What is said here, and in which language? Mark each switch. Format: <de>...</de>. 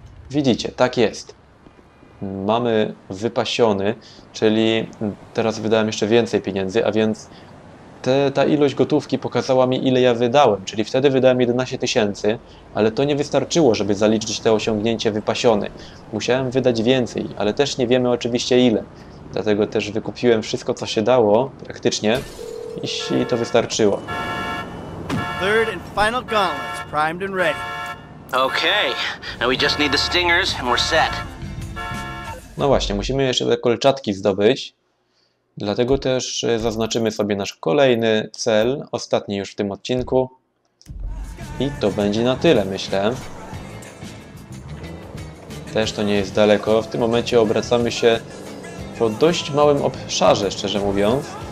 <pl>Widzicie, tak jest. Mamy wypasiony, czyli teraz wydałem jeszcze więcej pieniędzy, a więc ta ilość gotówki pokazała mi, ile ja wydałem, czyli wtedy wydałem 11 tysięcy, ale to nie wystarczyło, żeby zaliczyć te osiągnięcie wypasiony. Musiałem wydać więcej, ale też nie wiemy oczywiście ile. Dlatego też wykupiłem wszystko, co się dało, praktycznie, i to wystarczyło.</pl> <en>Third and final gauntlet, primed and ready. Okay, now we just need the stingers and we're set.</en> <pl>No właśnie, musimy jeszcze te kolczatki zdobyć. Dlatego też zaznaczymy sobie nasz kolejny cel, ostatni już w tym odcinku. I to będzie na tyle, myślę. Też to nie jest daleko. W tym momencie obracamy się po dość małym obszarze, szczerze mówiąc.</pl>